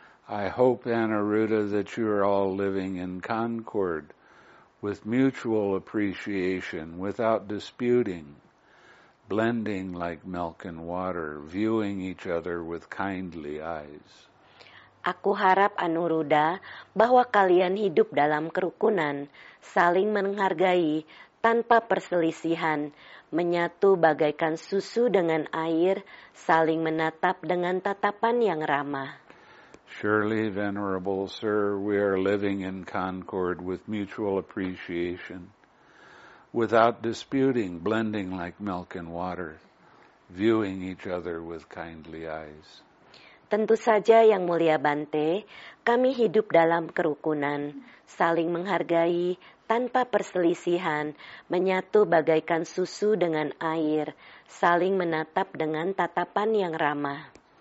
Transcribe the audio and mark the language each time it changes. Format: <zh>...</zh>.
<en>I hope, Anuruddha, that you are all living in concord, with mutual appreciation, without disputing, blending like milk and water, viewing each other with kindly eyes.</en> <id>Aku harap, Anuruddha, bahwa kalian hidup dalam kerukunan, saling menghargai, tanpa perselisihan, menyatu bagaikan susu dengan air, saling menatap dengan tatapan yang ramah.</id> <en>Surely, venerable sir, we are living in concord with mutual appreciation, without disputing, blending like milk and water, viewing each other with kindly eyes.</en> <id>Tentu saja, Yang Mulia Bante, kami hidup dalam kerukunan, saling menghargai, tanpa perselisihan, menyatu bagaikan susu dengan air, saling menatap dengan tatapan yang ramah.</id>